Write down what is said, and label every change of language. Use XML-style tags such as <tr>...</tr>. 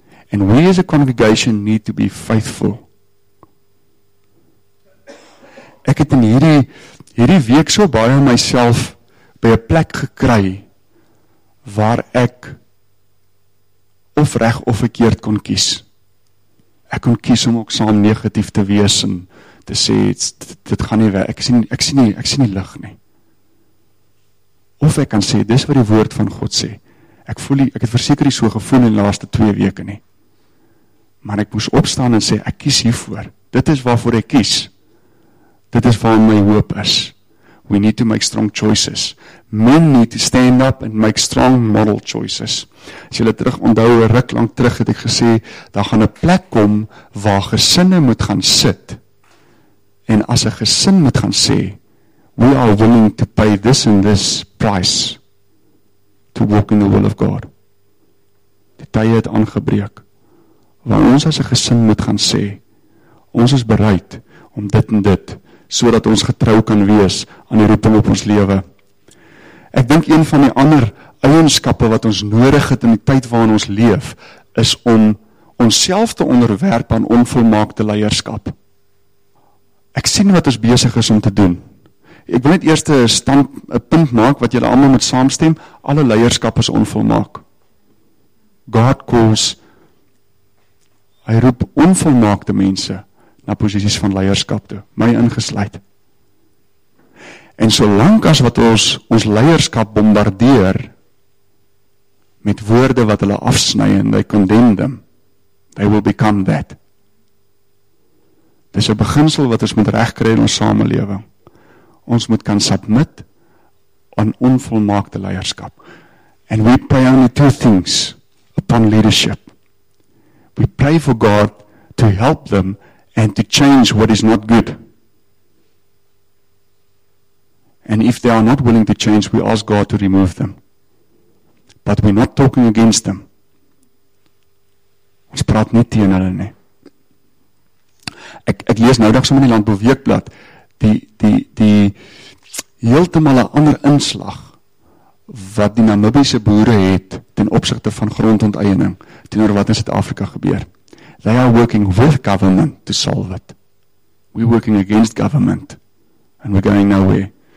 <en>And we as a congregation need to be faithful.</en> <af>Ek het in hierdie week so baie myself by 'n plek gekry waar ek of reg of verkeerd kon kies. Ek kon kies om ook saam negatief te wees en te sê dit gaan nie werk. Ek sien nie lig nie. Of ek kan sê dis wat die woord van God sê. Ek het verseker nie so gevoel in die laaste 2 weke nie. Maar ek moes opstaan en sê, ek kies hiervoor. Dit is waarvoor ek kies. Dit is waar my hoop is.</af> <en>We need to make strong choices. Men need to stand up and make strong moral choices.</en> <af>As jy terug onthou, een ruk lang terug het ek gesê, daar gaan 'n plek kom waar gesinne moet gaan sit. En as 'n gesin moet gaan sê,</af> <en>we are willing to pay this and this price to walk in the will of God.</en> <af>Die tye het aangebreek. Waar ons as 'n gesin moet gaan sê, ons is bereid om dit en dit, so dat ons getrou kan wees aan die roeping op ons lewe. Ek dink een van die ander eienskappe wat ons nodig het in die tyd waarin ons leef, is om onsself te onderwerp aan onvolmaakte leierskap. Ek sien wat ons besig is om te doen. Ek wil net eers 'n punt maak wat julle almal moet saamstem, alle leierskap is onvolmaak.</af> <en>God calls</en> <af>Hy roep onvolmaakte mense na posisies van leierskap toe, my ingesluit. En solank as wat ons leierskap bombardeer met woorde wat hulle afsny en</af> <en>they condemn them, they will become that.</en> <af>Dis 'n beginsel wat ons moet regkry in ons samelewing. Ons moet kan submit aan onvolmaakte leierskap.</af> <en>And we pray only 2 things upon leadership. We pray for God to help them and to change what is not good. And if they are not willing to change, we ask God to remove them. But we're not talking against them.</en> <af>Ons praat nie teen hulle nie. Ek lees nou dag so in die Landbou Weekblad die heeltemal 'n ander inslag wat die Namibiese boere het ten opsigte van grondonteiening teenoor wat in Suid-Afrika gebeur.</af> <en>They are working with government to solve it. We're working against government and we're going nowhere.</en>